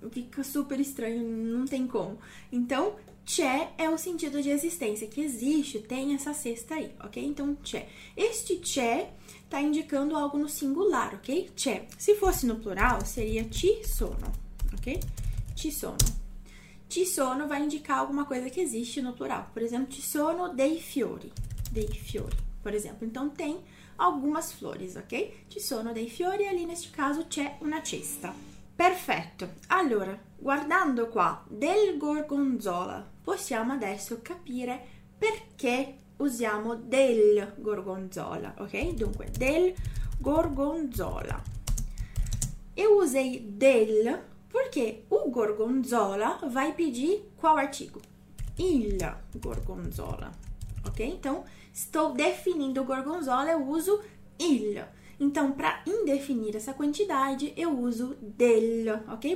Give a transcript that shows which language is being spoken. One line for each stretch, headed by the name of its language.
Portuguese: Fica super estranho, não tem como. Então, c'è é o sentido de existência, que existe, tem essa cesta aí, ok? Então, c'è. Este c'è tá indicando algo no singular, ok? C'è. Se fosse no plural, seria
Italian: ci sono,
Portuguese: ok?
Italian: Ci sono. Ci sono
Portuguese: vai indicar alguma coisa que existe no plural. Por exemplo,
Italian: ci sono dei fiori. Dei fiori,
Portuguese: por exemplo. Então, tem algumas flores, ok?
Italian: Ci sono dei fiori,
Portuguese: ali neste caso
Italian: c'è una cesta. Perfetto. Allora, guardando qua del gorgonzola, possiamo adesso capire perché usiamo del gorgonzola, ok? Dunque, del gorgonzola.
Portuguese: Eu usei del perché o gorgonzola vai pedir qual artigo?
Italian: Il gorgonzola,
Portuguese: ok? Então, estou definindo o gorgonzola, eu uso il. Então, para indefinir essa quantidade, eu uso del, ok?